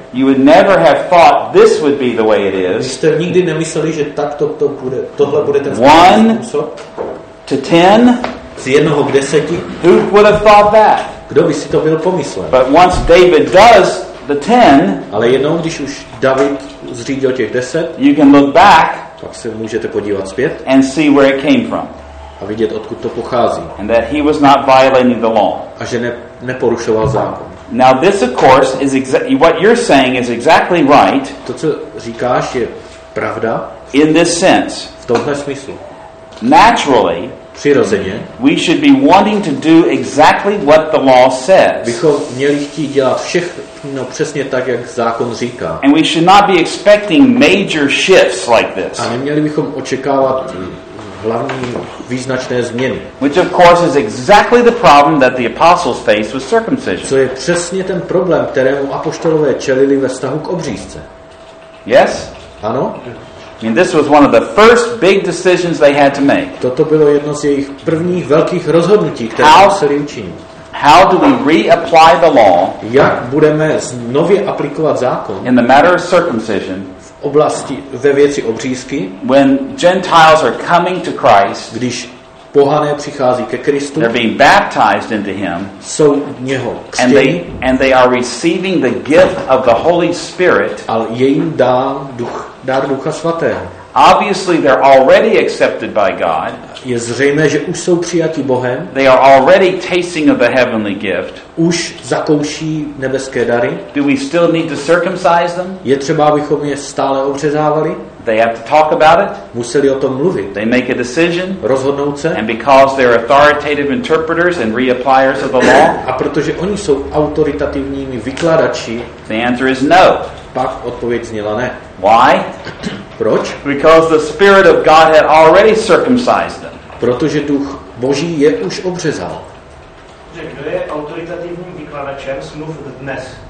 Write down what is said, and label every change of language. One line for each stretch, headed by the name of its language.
English: you would never have thought this would be the way it is.
Czech: Jste nikdy nemysleli, že takto to bude, tohle bude ten způsob.
English: 1 to 10.
Czech: Z jednoho k deseti.
English: Who would have thought that?
Czech: Kdo by si to byl pomyslel?
English: But once David does the 10,
Czech: ale jednou, když už David zřídil těch 10,
English: you can look back,
Czech: tak se můžete podívat zpět,
English: and see where it came from.
Czech: A vidět, odkud to pochází.
English: And that he was not violating the law.
Czech: A že neporušoval zákon.
English: Now this, of course, is what you're saying is exactly right.
Czech: To, co říkáš, je pravda.
English: In this sense.
Czech: V tomhle smyslu.
English: Naturally,
Czech: přirozeně,
English: we should be wanting to do exactly what the law says.
Czech: Bychom měli chtít dělat všechno přesně tak, jak zákon říká.
English: And we should not be expecting major shifts like this.
Czech: A neměli bychom očekávat hlavní význačné změny.
English: Which of course is exactly the problem that the apostles faced with circumcision.
Czech: Co je přesně ten problém, kterému apoštolové čelili ve vztahu k obřízce.
English: Yes?
Czech: Ano?
English: I mean, this was one of the first big decisions they had to make.
Czech: Toto bylo jedno z jejich prvních velkých rozhodnutí, které museli učinit.
English: How do we reapply the law?
Czech: Jak budeme znovu aplikovat zákon?
English: In the matter of circumcision,
Czech: v oblasti ve věci obřízky,
English: when Gentiles are coming to Christ,
Czech: když pohané přichází ke Kristu,
English: they're being baptized into him,
Czech: jsou v něho křtěni,
English: and they are receiving the gift of the Holy Spirit,
Czech: ale je jim dán duch, dar Ducha Svatého.
English: Obviously they're already accepted by God.
Czech: Je zřejmé, že už jsou přijati Bohem.
English: They are already tasting of the heavenly gift.
Czech: Už zakouší nebeské dary.
English: Do we still need to circumcise them?
Czech: Je třeba, abychom je stále obřezávali?
English: They have to talk about it.
Czech: Museli o tom mluvit.
English: They make a decision.
Czech: Rozhodnout se.
English: And because they're authoritative interpreters and reappliers of the law.
Czech: A protože oni jsou autoritativními vykladači.
English: The answer is no.
Czech: Pak odpověď zněla ne.
English: Why?
Czech: Proč?
English: Because the Spirit of God had already circumcised them.
Czech: Protože Duch Boží je už obřezal. Že kdo je autoritativním vykladačem smluv dnes?